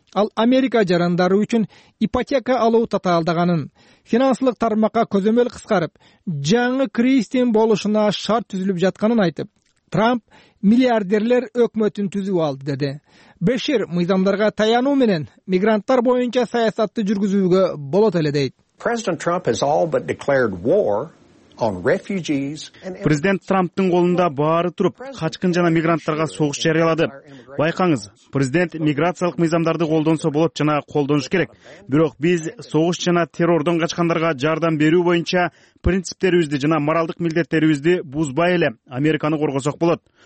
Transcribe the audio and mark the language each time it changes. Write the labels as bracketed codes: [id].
[ky] Ал Америка жарандары үчүн ипотека алуу татаалдаганын, финансылык тармакка көзөмөл кыскарып, жаңы кризистин болушуна шарт түзүлүп жатканын айтып, Трамп миллиардерлер өкмөтүн түзүп алды, деди. Бешер мыйзамдарга таянуу менен мигранттар боюнча саясатты жүргүзүүгө болот эле дейт. [en] President Trump has all but declared war on refugees. [ky] Президент Трамптын колунда баары туруп, качкын жана мигранттарга согуш жарыялады. Байкаңыз, президент миграциялык мыйзамдарды колдонсо болот жана колдонуш керек. Бирок биз согуш жана террордон качкандарга жардам берүү боюнча принциптерибизди жана моралдык милдеттерибизди бузбай эле Американы коргосок болот.